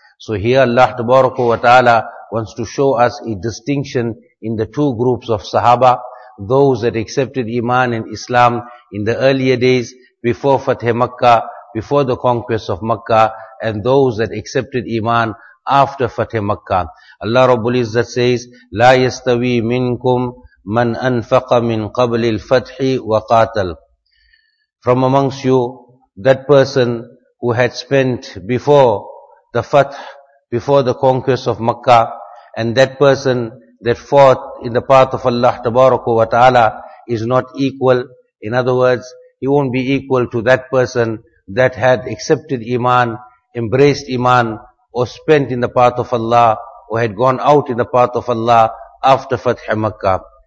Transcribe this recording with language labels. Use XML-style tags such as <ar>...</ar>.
<en>So here Allah tabaraka wa ta'ala wants to show us a distinction in the two groups of Sahaba, those that accepted Iman and Islam in the earlier days before Fath Makkah, before the conquest of Makkah, and those that accepted Iman after Fath Makkah. Allah Rabbul Izzat says,</en> <ar>لا يستوي منكم من أنفق من قبل الفتح وقاتل.</ar> <en>From amongst you, that person who had spent before the Fath, before the conquest of Makkah, and that person that fought in the path of Allah tabaraka wa ta'ala is not equal. In other words, he won't be equal to that person that had accepted Iman, embraced Iman, or spent in the path of Allah, or had gone out in the path of Allah after Fath Makkah.</en>